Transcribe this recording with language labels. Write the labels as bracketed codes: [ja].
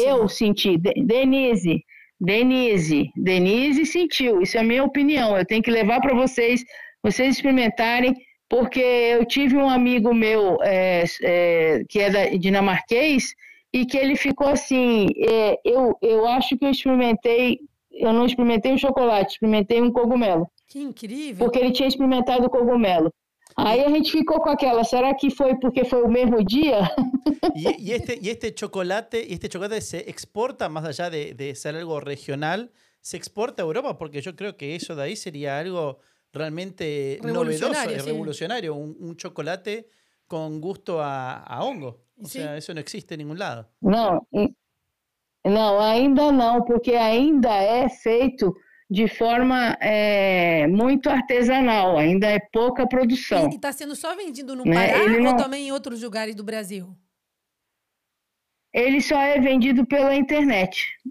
[pt] Eu senti, Denise sentiu, isso é a minha opinião, eu tenho que levar para vocês experimentarem, porque eu tive um amigo meu que é da dinamarquês e que ele ficou assim, eu acho que eu não experimentei um chocolate, experimentei um cogumelo. Que incrível. Porque ele tinha experimentado o cogumelo. Aí a gente ficou com aquela, será que foi porque foi o mesmo dia? [es] E este chocolate se exporta, más allá de ser algo regional, se exporta a Europa, porque yo creo que eso de ahí sería algo realmente novedoso y revolucionario. Un chocolate con gusto a hongo. O sea, eso no existe en ningún lado. [pt] No, ainda no, porque ainda es feito de forma muito artesanal, ainda é pouca produção. E está sendo só vendido no Pará também em outros lugares do Brasil? Ele só é vendido pela internet.